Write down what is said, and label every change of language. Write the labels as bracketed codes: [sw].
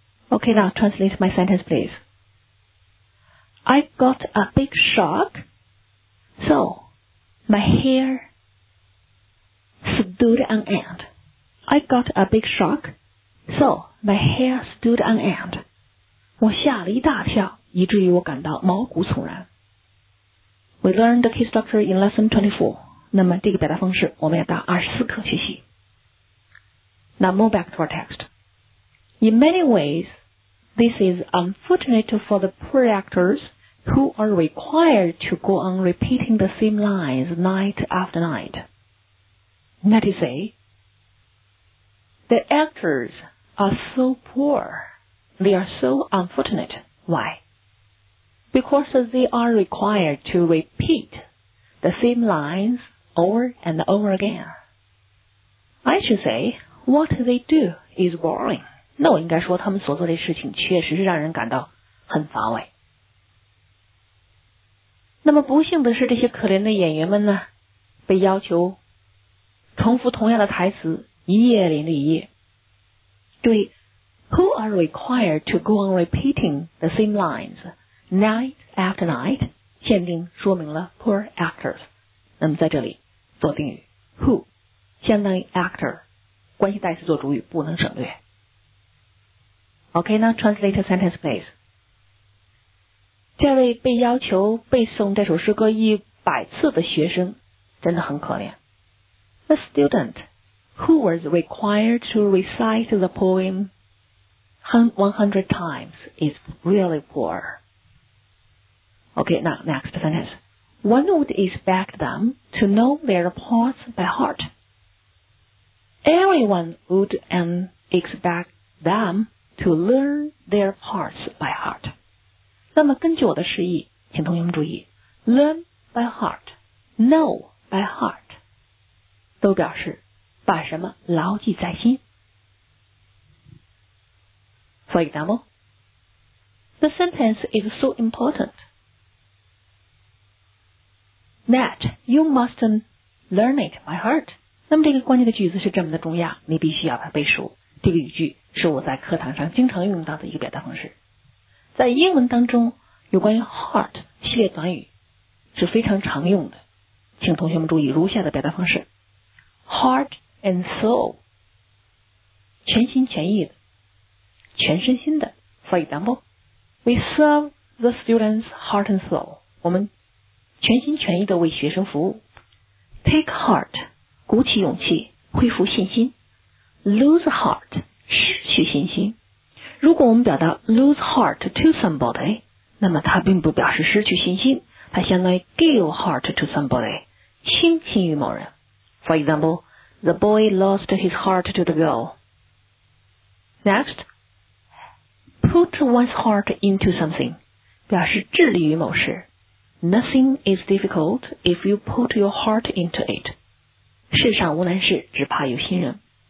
[en] Okay, now translate my sentence, please. I got a big shock, so my hair stood on end. I got a big shock, so my hair stood on end. [zh] 我吓了一大跳。以至于我感到毛骨悚然。 [en] We learned the key structure in lesson 24. [zh] 那么这个表达方式我们要到24课学习。 [en] Now move back to our text. In many ways, this is unfortunate for the poor actors who are required to go on repeating the same lines night after night. Let me say, the actors are so poor. They are so unfortunate. Why? Because they are required to repeat the same lines over and over again. I should say, what they do is boring. [zh] 那我应该说他们所做的事情确实是让人感到很乏味。那么不幸的是这些可怜的演员们呢被要求重复同样的台词一夜连着一夜。 [en] 对 who are required to go on repeating the same lines? Night after night, [zh] 限定说明了 [en] poor actors. [zh] 那么在这里做定语 who, 相当于 actor, 关系代词做主语不能省略。 [en] OK, now translate a sentence, please. [zh] 这位被要求背诵这首诗歌100次的学生真的很可怜。 [en] A student who was required to recite the poem 100 times is really poor. Okay, now next sentence. One would expect them to know their parts by heart. Everyone would expect them to learn their parts by heart. [zh] 那么根据我的示意，请同学们注意 ， [en] learn by heart, know by heart， [zh] 都表示把什么牢记在心。 [en] For example, The sentence is so important that you must learn it by heart. [zh] 那么这个关键的句子是这么的重要，你必须要它背熟。这个语句是我在课堂上经常用到的一个表达方式。在英文当中，有关于 heart 系列短语是非常常用的，请同学们注意如下的表达方式： heart and soul， 全心全意的，全身心的。 [en] For example， we serve the students heart and soul， [zh] 我们全心全意的为学生服务。 take heart， 鼓起勇气，恢复信心。 lose heart， 失去信心。如果我们表达 [en] lose heart to somebody， [zh] 那么它并不表示失去信心，它相当于 [en] give heart to somebody， [zh] 倾心于某人。 [en] For example， the boy lost his heart to the girl。 Next， put one's heart into something [zh] 表示致力于某事。 [en] Nothing is difficult if you put your heart into it， [zh] 世上无难事，只怕有心人。